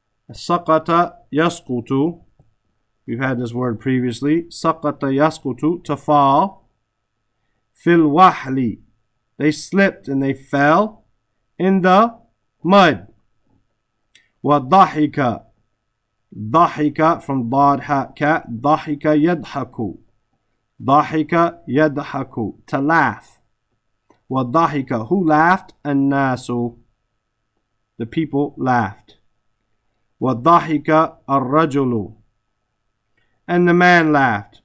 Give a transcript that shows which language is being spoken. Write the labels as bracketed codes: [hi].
[ar] Wasaqata yasqutu. [en] We've had this word previously. [ar] Saqata yasqutu, [en] to fall. [ar] Fil wahli, [en] they slipped and they fell in the mud. [ar] وَضَحِكَ. ضَحِكَ from ضَاد حَا كَ. ضَحِكَ يَدْحَكُ. ضَحِكَ يَدْحَكُ, [en] to laugh. وَضَحِكَ, who laughed? النَّاسُ, the people laughed. [ar] وَضَحِكَ الرَّجُلُ, [en] and the man laughed.